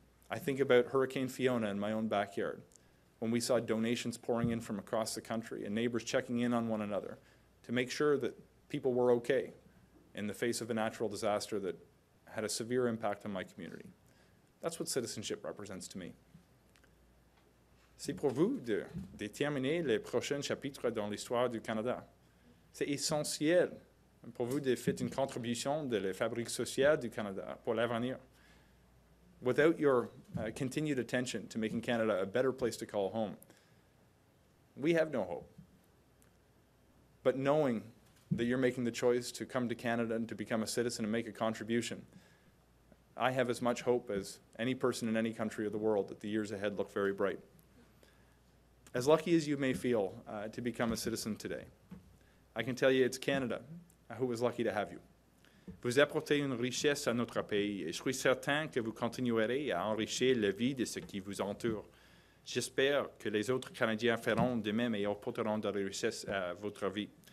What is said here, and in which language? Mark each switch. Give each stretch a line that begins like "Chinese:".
English: I think about Hurricane Fiona in my own backyard, when we saw donations pouring in from across the country and neighbors checking in on one another to make sure that people were okay in the face of a natural disaster that had a severe impact on my community. That's what citizenship represents to me.
French: C'est pour vous de déterminer les prochains chapitres dans l'histoire du Canada. C'est essentiel pour vous de faire une contribution de la fabrique sociale du Canada pour l'avenir.
English: Without your continued attention to making Canada a better place to call home, we have no hope. But knowing that you're making the choice to come to Canada and to become a citizen and make a contribution, I have as much hope as any person in any country of the world that the years ahead look very bright. As lucky as you may feel to become a citizen today, I can tell you it's Canada who was lucky to have you.
French: Vous apportez une richesse à notre pays et je suis certain que vous continuerez à enrichir la vie de ceux qui vous entourent. J'espère que les autres Canadiens feront de même et apporteront de la richesse à votre vie.